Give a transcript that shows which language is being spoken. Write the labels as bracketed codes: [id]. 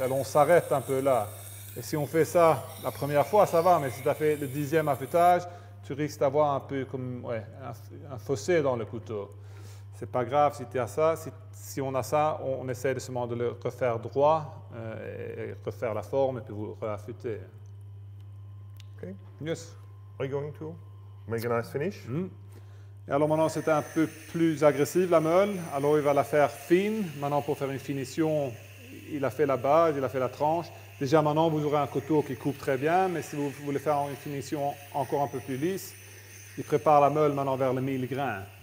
[fr] Alors on s'arrête un peu là. Et si on fait ça la première fois, ça va, mais si tu as fait le 10e affûtage, tu risques d'avoir un peu comme un fossé dans le couteau. C'est pas grave si tu as ça. Si on a ça, on essaie seulement de le refaire droit et refaire la forme et puis vous réaffûter. [en] OK. Yes. Are you going to make a nice finish? Mm. [fr] Et alors maintenant, c'était un peu plus agressive la meule. Alors il va la faire fine. Maintenant, pour faire une finition, il a fait la base, il a fait la tranche. Déjà maintenant, vous aurez un couteau qui coupe très bien, mais si vous voulez faire une finition encore un peu plus lisse, il prépare la meule maintenant vers le 1000 grains.